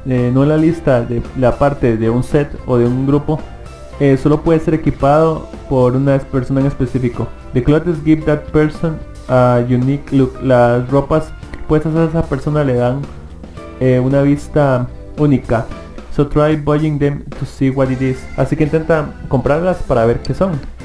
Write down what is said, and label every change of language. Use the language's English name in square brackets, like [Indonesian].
[Spanish] No la lista de la parte de un set o de un grupo. Solo puede ser equipado por una persona en específico. [English] The clothes give that person a unique look. [Spanish] Las ropas puestas a esa persona le dan una vista única. [English] So try buying them to see what it is. [Spanish] Así que intenta comprarlas para ver qué son.